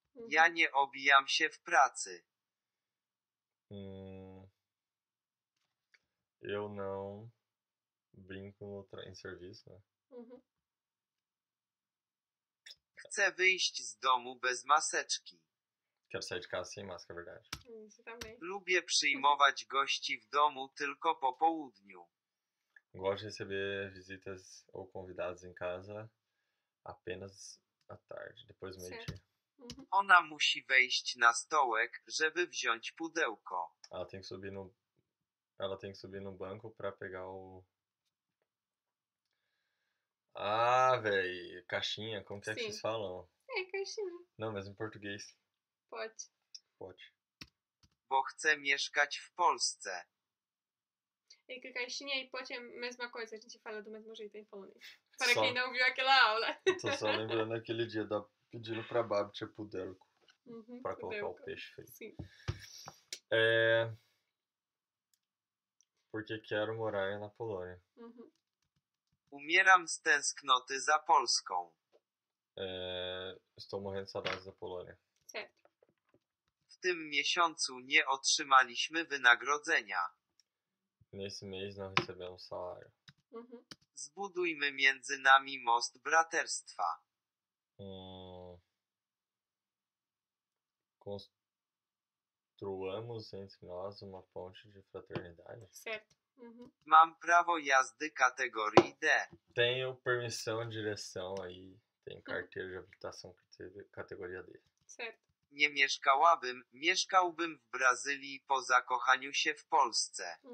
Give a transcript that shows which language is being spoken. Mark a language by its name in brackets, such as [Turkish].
[Polish] Ja nie obijam się w pracy. [Portuguese] Eu não brinco no em serviço, né? [Polish] Chcę wyjść z domu bez maseczki. [Portuguese] Quero sair de casa sem máscara, verdade. Isso também. [Polish] Lubię przyjmować gości w domu tylko po południu. [Portuguese] Gosto de receber visitas ou convidados em casa apenas à tarde, depois do meio-dia. [Polish] Ona musi wejść na stołek, żeby wziąć pudełko. [Portuguese] Ela tem que subir no banco pra pegar o... Ah, véi, caixinha, como que é que vocês falam? É, caixinha. Não, mas em português. Pode. Pode. [Polish] Bo chcę mieszkać w Polsce. [Portuguese] É que caixinha e pote é a mesma coisa, a gente fala do mesmo jeito em polonês. Para só... quem não viu aquela aula. Tô só lembrando aquele dia da pedindo pra Babi pudelco. Pra colocar pudelco. O peixe feito. Sim. É... Porque quero morar na Polônia. [Polish] Umieram z tęsknoty za Polską. [Portuguese] Estou morrendo de saudades da Polônia. Certo. [Polish] W tym miesiącu nie otrzymaliśmy wynagrodzenia. [Portuguese] Nesse mês não recebemos salário. [Polish] Zbudujmy między nami most braterstwa. [Portuguese] Construamos entre nós uma ponte de fraternidade. Certo. [Polish] Mam prawo jazdy kategorii D. [Portuguese] Tenho permissão de direção aí. Tenho carteira de habilitação categoria D. Certo. [Polish] Nie mieszkałabym, mieszkałbym w Brazylii po zakochaniu się w Polsce.